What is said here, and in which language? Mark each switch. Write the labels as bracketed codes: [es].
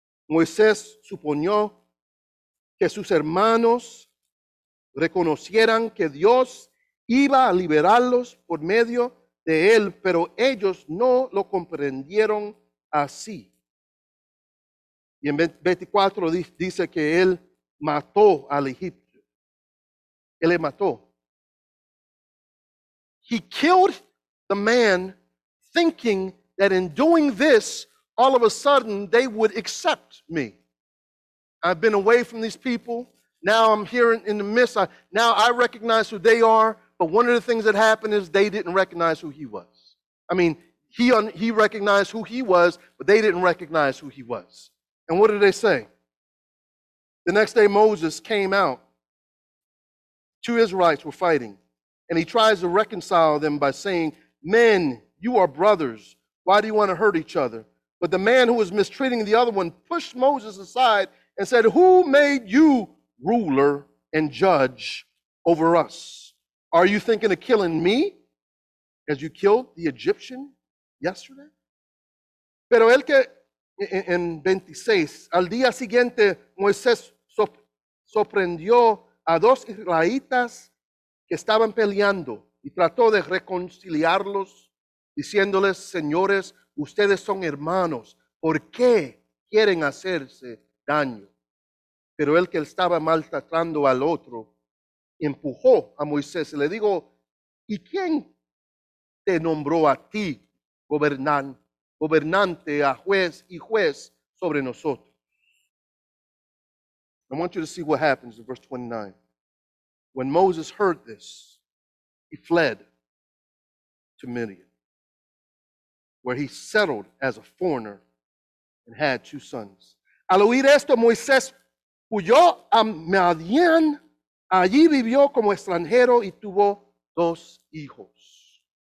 [es] Moisés suponió que sus hermanos reconocieran que Dios iba a liberarlos por medio de él, pero ellos no lo comprendieron así. Y en 24 dice que él mató al egipcio. Él le mató. [en] He killed the man thinking that in doing this, all of a sudden they would accept me. I've been away from these people. Now I'm here in the midst. Now I recognize who they are. But one of the things that happened is they didn't recognize who he was. I mean, he recognized who he was, but they didn't recognize who he was. And what did they say? The next day, Moses came out. Two Israelites were fighting, and he tries to reconcile them by saying, "Men, you are brothers. Why do you want to hurt each other?" But the man who was mistreating the other one pushed Moses aside and said, "Who made you ruler and judge over us? Are you thinking of killing me as you killed the Egyptian yesterday?" [es] Pero el que, en 26, al día siguiente, Moisés sorprendió a dos israelitas que estaban peleando y trató de reconciliarlos, diciéndoles, "Señores, ustedes son hermanos. ¿Por qué quieren hacerse daño?" Pero el que estaba maltratando al otro empujó a Moisés y le dijo, "¿Y quién te nombró a ti gobernante, a juez y juez sobre nosotros?" [en] I want you to see what happens in verse 29. When Moses heard this, he fled to Midian, where he settled as a foreigner and had two sons. [es] Al oír esto, Moisés huyó a Midian. Allí vivió como extranjero y tuvo dos hijos.